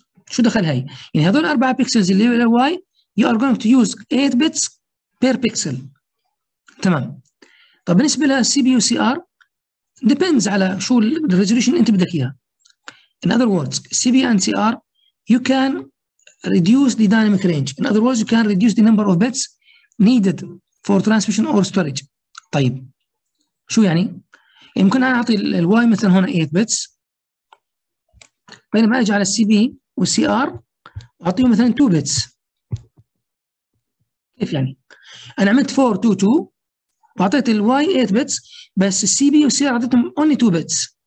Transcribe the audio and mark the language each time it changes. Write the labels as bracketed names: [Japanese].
[Arabic] شو دخل هاي؟ يعني هذول 4 بكسلز اللي واي [English] You are going to use 8 bits per pixel. [Arabic] تمام. طيب بالنسبه للسي بي وسي ار ديبيندز على شو الريزوليوشن انت بدك اياه. [English] In other words, CB and CR, you can reduce the dynamic range. In other words, you can reduce the number of bits needed for transmission or storage. [Arabic] طيب شو يعني؟ يمكن انا اعطي الواي مثلا هنا 8 bits. بينما اجي على السي بي والسي ار اعطيهم مثلا 2 bits. كيف يعني؟ انا عملت 4 2 2 واعطيت الواي 8 bits بس السي بي والسي ار اعطيتهم اونلي 2 bits.